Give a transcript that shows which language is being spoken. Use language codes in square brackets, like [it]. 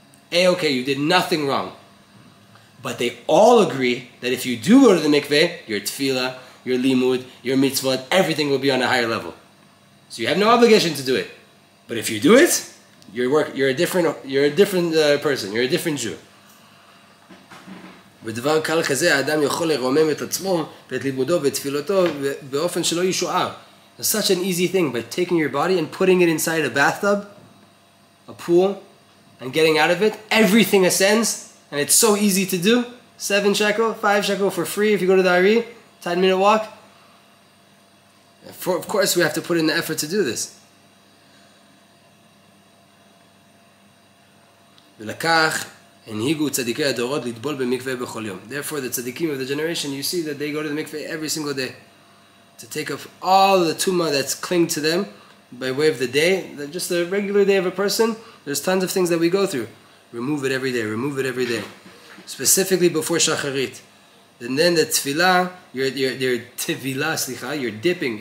[en] A-okay, you did nothing wrong. But they all agree that if you do go to the mikveh, your tefillah, your limud, your mitzvot, everything will be on a higher level. So you have no obligation to do it. But if you do it, you're a different person. You're a different Jew. [he] ודבר קל כזה, האדם יכול לרומם את עצמו ואת ליבודו ואת תפילותו באופן שלא ישוער. [en] Such an easy thing, by taking your body and putting it inside a bathtub, a pool, and getting out of it, everything ascends, and it's so easy to do. 7 shekel, 5 shekel for free if you go to the Ari, 10-minute walk. Of course, we have to put in the effort to do this. [he] ולקח הנהיגו צדיקי הדורות לטבול במקווה בכל יום. [en] Therefore, the tzaddikim of the generation, you see that they go to the mikveh every single day to take off all the tuma that's cling to them by way of the day, just the regular day of a person. There's tons of things that we go through. Remove it every day, remove it every day. Specifically before shacharit. And then the tefillah, your tefillah, slicha, you're dipping.